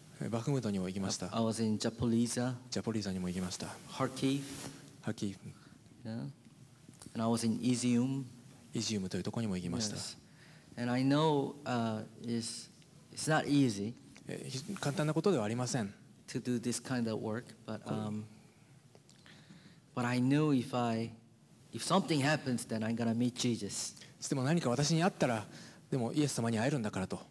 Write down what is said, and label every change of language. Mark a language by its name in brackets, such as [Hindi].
[Japanese] バフムトにも行きました。 [English] I was in Zaporizhia. [Japanese] ジャポリザにも行きました。 [English] Kharkiv. [Japanese] ハキフ。 [English] Yeah. And I was in Izium. [Japanese] イジュームというところにも行きました。 [English] Yes. And I know it's not easy. [Japanese] 簡単なことではありません。 [English] To do this kind of work, but But I knew if something happens, then I'm gonna meet Jesus. [Japanese] でも何か私に会ったら、でもイエス様に会えるんだからと。